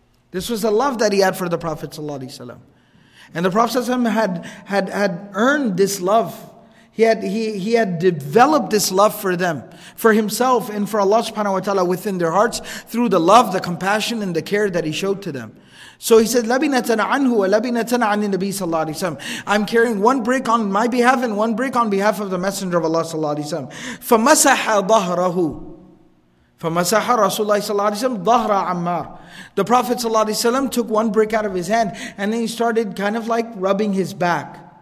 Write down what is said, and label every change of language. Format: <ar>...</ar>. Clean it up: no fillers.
<en>This was the love that he had for the Prophet ﷺ. And the Prophet ﷺ had earned this love. He had developed this love for them, for himself and for Allah subhanahu wa ta'ala within their hearts through the love, the compassion and the care that he showed to them. So he said,</en> <ar>لَبِنَةً عَنْهُ وَلَبِنَةً عَنِ النَّبِي صلى الله عليه وسلم.</ar> <en>I'm carrying one brick on my behalf and one brick on behalf of the Messenger of Allah صلى الله عليه وسلم.</en> <ar>فَمَسَحَ ظَهْرَهُ فَمَسَحَ رَسُولَ اللَّهِ صلى الله عليه وسلم ظَهْرَ عَمَّارِ.</ar> <en>The Prophet صلى الله عليه وسلم took one brick out of his hand and then he started kind of like rubbing his back.</en>